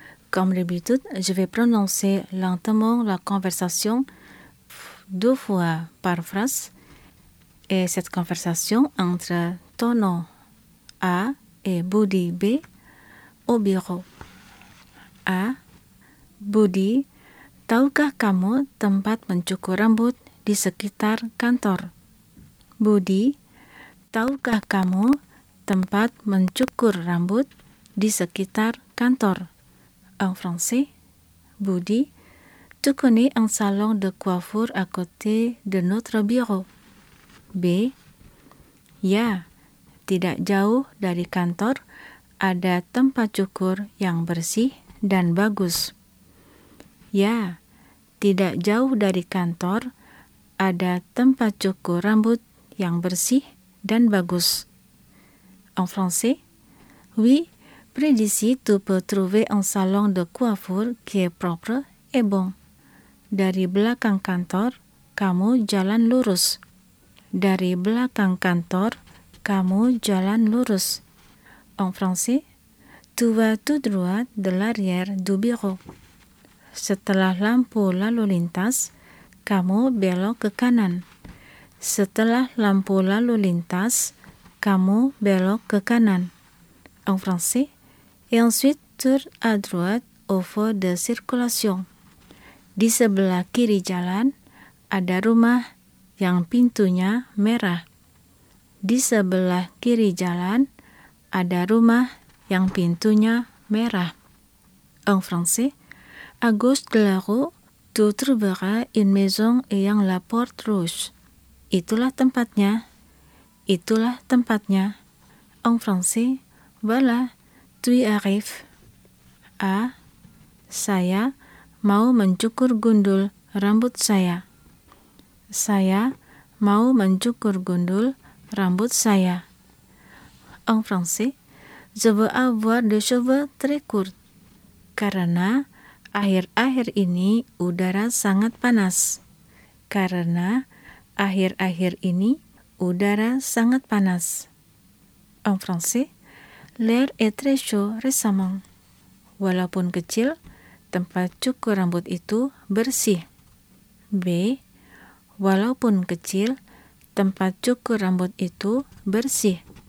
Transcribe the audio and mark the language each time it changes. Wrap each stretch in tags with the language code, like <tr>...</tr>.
<fr>Comme d'habitude, je vais prononcer lentement la conversation deux fois par phrase. Et cette conversation entre Tono A et Buddy B au bureau. A.</fr> <id>Buddy, tahukah kamu tempat mencukur rambut di sekitar kantor? Buddy, tahukah kamu tempat mencukur rambut di sekitar kantor?</id> <fr>En français, Buddy, tu connais un salon de coiffure à côté de notre bureau? B.</fr> <id>Ya, tidak jauh dari kantor ada tempat cukur yang bersih dan bagus. Ya, tidak jauh dari kantor ada tempat cukur rambut yang bersih dan bagus.</id> <fr>En français, oui, près d'ici tu peux trouver un salon de coiffure qui est propre et bon.</fr> <id>Dari belakang kantor, kamu jalan lurus. Dari belakang kantor, kamu jalan lurus.</id> <fr>En français, tu vas tout droit de l'arrière du bureau.</fr> <id>Setelah lampu lalu lintas, kamu belok ke kanan. Setelah lampu lalu lintas, kamu belok ke kanan.</id> <fr>En français, et ensuite tour à droite au feu de circulation.</fr> <id>Di sebelah kiri jalan, ada rumah yang pintunya merah. Di sebelah kiri jalan, ada rumah yang pintunya merah.</id> <fr>En français, à gauche de la rue, tu trouveras une maison ayant la porte rouge.</fr> <id>Itulah tempatnya. Itulah tempatnya.</id> <fr>En français, voilà, tu y arrives.</fr> <id>A. Saya mau mencukur gundul rambut saya. Saya mau mencukur gundul rambut saya.</id> <fr>En français, je veux avoir des cheveux très courts.</fr> <id>Karena akhir-akhir ini udara sangat panas. Karena akhir-akhir ini udara sangat panas.</id> <fr>En français, l'air est très chaud récemment.</fr> <id>Walaupun kecil, tempat cukur rambut itu bersih. B. Walaupun kecil, tempat cukur rambut itu bersih.</id>